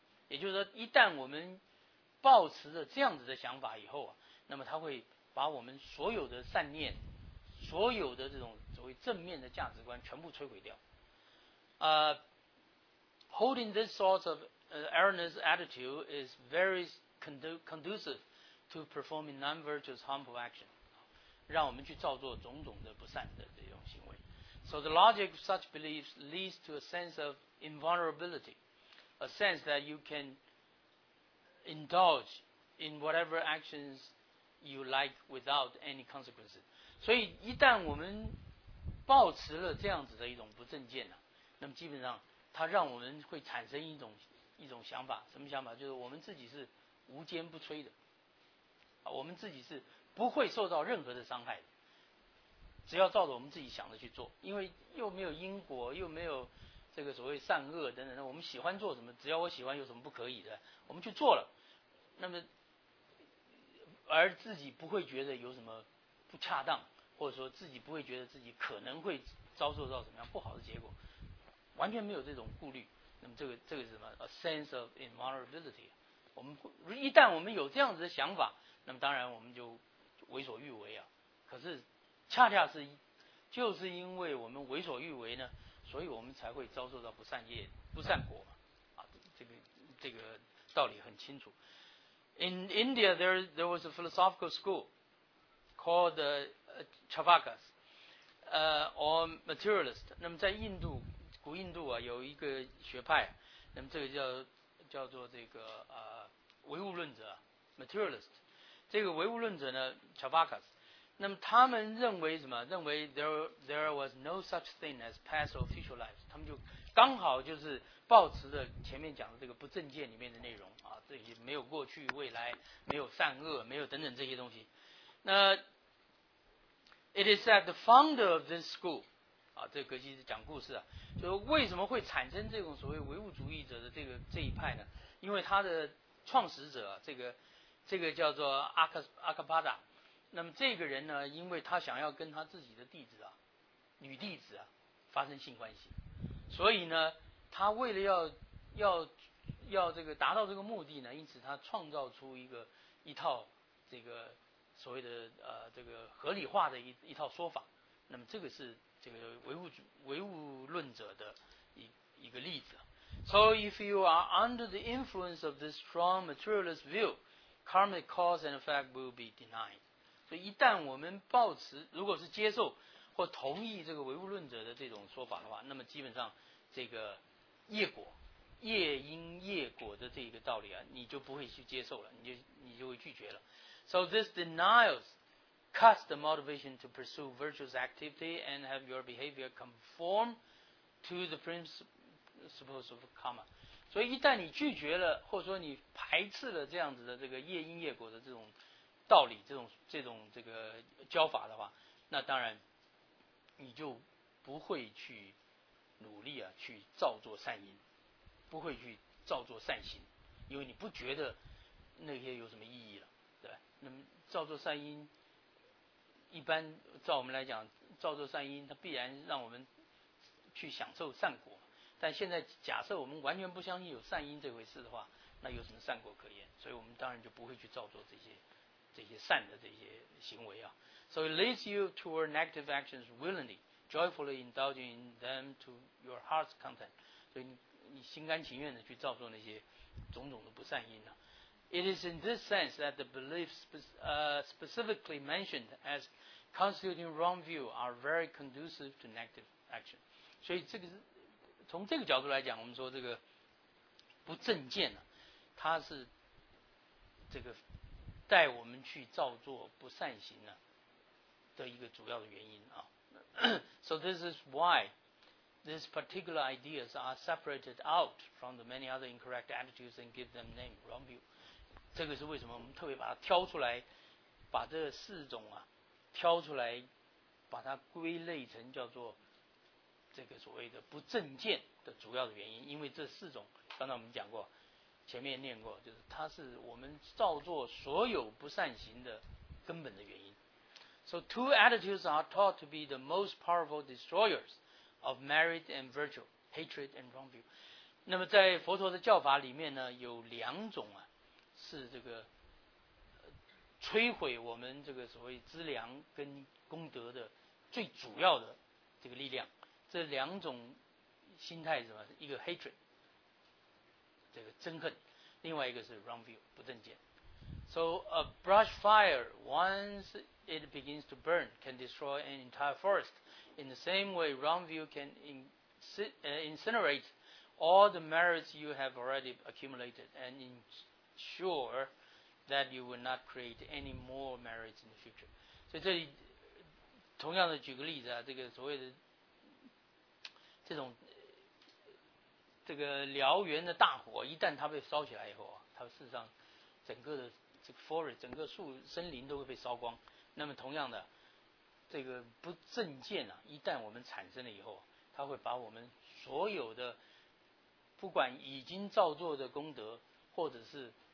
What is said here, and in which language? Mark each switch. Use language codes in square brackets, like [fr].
[zh] 也就是说一旦我们抱持着这样子的想法以后啊，那么它会把我们所有的善念，所有的这种所谓正面的价值观全部摧毁掉。 [en] Holding this sort of erroneous attitude is very conducive to performing non-virtuous harmful action. [zh] 让我们去造作种种的不善的这种行为。 [en] So the logic of such beliefs leads to a sense of invulnerability, a sense that you can indulge in whatever actions you like without any consequences. [zh] 所以一旦我们抱持了这样子的一种不正见、啊、那么基本上它让我们会产生一种想法，什么想法？就是我们自己是无坚不摧的、啊、我们自己是不会受到任何的伤害的，只要照着我们自己想的去做，因为又没有因果，又没有这个所谓善恶等等，我们喜欢做什么，只要我喜欢有什么不可以的，我们去做了，那么而自己不会觉得有什么不恰当，或者说自己不会觉得自己可能会遭受到什么样不好的结果，完全没有这种顾虑。那么这个是什么 ？ [en] A sense of invulnerability。 [zh] 我们一旦我们有这样子的想法，那么当然我们就为所欲为啊。可是恰恰是就是因为我们为所欲为呢，所以我们才会遭受到不善业、不善果嘛。啊，这个道理很清楚。 [en] In India, there was a philosophical school called the Chavakas, or materialist. [zh] 那么在印度。古印度啊，有一个学派，那么这个叫做这个唯物论者 materialist， 这个唯物论者呢 Chavakas， 那么他们认为什么？认为 [en] there was no such thing as past or future lives， [zh] 他们就刚好就是抱持着前面讲的这个不正见里面的内容啊，这些没有过去未来，没有善恶，没有等等这些东西。 [en] 那 it is that the founder of this school。 [zh] 啊，这个格西斯讲故事啊，就是为什么会产生这种所谓唯物主义者的这一派呢？因为他的创始者、啊、这个叫做阿卡巴达，那么这个人呢，因为他想要跟他自己的弟子啊，女弟子啊发生性关系，所以呢，他为了要这个达到这个目的呢，因此他创造出一套这个所谓的这个合理化的一套说法，那么这个是。这个唯物论者的一个例子。 [en] So if you are under the influence of this strong materialist view, karmic cause and effect will be denied. [zh] 所以一旦我们抱持，如果是接受或同意这个唯物论者的这种说法的话，那么基本上这个业果、业因、业果的这一个道理啊，你就不会去接受了，你就会拒绝了。 [en] So this denials. Cuts the motivation to pursue virtuous activity and have your behavior conform to the principles of karma. [zh] 所以一旦你拒绝了，或者说你排斥了这样子的这个业因业果的这种道理，这种这个教法的话，那当然你就不会去努力啊，去造作善因，不会去造作善行，因为你不觉得那些有什么意义了，对吧？那么造作善因。一般照我们来讲，造作善因，它必然让我们去享受善果。但现在假设我们完全不相信有善因这回事的话，那有什么善果可言？所以我们当然就不会去造作这些善的这些行为啊。 [en] So it leads you toward negative actions willingly, joyfully indulging them to your heart's content. [zh] 所以你心甘情愿的去造作那些种种的不善因呢、啊？ [en] It is in this sense that the beliefs specifically mentioned as constituting wrong view are very conducive to negative action. [zh] 所以这个从这个角度来讲，我们说这个不正见呢、啊，它是这个带我们去造作不善行呢、啊、的一个主要的原因啊。 [en] So this is why these particular ideas are separated out from the many other incorrect attitudes and give them name wrong view. [zh] 这个是为什么我们特别把它挑出来，把这四种啊挑出来，把它归类成叫做这个所谓的不正见的主要的原因。因为这四种刚才我们讲过，前面念过，就是它是我们造作所有不善行的根本的原因。 [en] So two attitudes are taught to be the most powerful destroyers of merit and virtue, hatred and wrong view. [zh] 那么在佛陀的教法里面呢，有两种啊是这个摧毁我们这个所谓资粮跟功德的最主要的这个力量。这两种心态是什么？一个 hatred， 这个憎恨；另外一个是 wrong view， 不正见。 [en] So a brush fire, once it begins to burn, can destroy an entire forest. In the same way, wrong view can incinerate all the merits you have already accumulated and ensure that you will not create any more merits in the future. [zh] 所以这里同样的举个例子啊，这个所谓的这种这个燎原的大火，一旦它被烧起来以后啊，它事实上整个的这个 forest 整个树森林都会被烧光。那么同样的，这个不正见啊，一旦我们产生了以后，它会把我们所有的不管已经造作的功德或者是